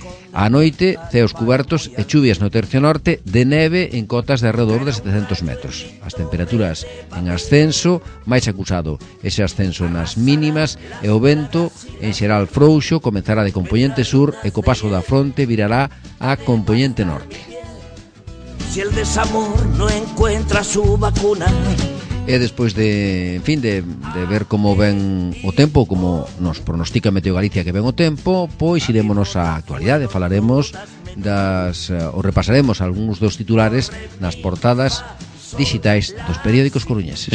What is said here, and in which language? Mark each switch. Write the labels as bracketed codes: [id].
[gl] A noite, ceos cubertos e chuvias no tercio norte de neve en cotas de arredor de 700 metros. As temperaturas en ascenso, máis acusado ese ascenso nas mínimas e o vento en xeral frouxo comenzará de compoñente sur e co paso da fronte virará a compoñente norte. [es] Si el desamor no encuentra su vacuna. [gl] E despois de, en fin, de ver como ven o tempo, como nos pronostica Meteo Galicia que ven o tempo, pois iremos á actualidade, falaremos das, ou repasaremos algúns dos titulares nas portadas dixitais dos periódicos coruñeses.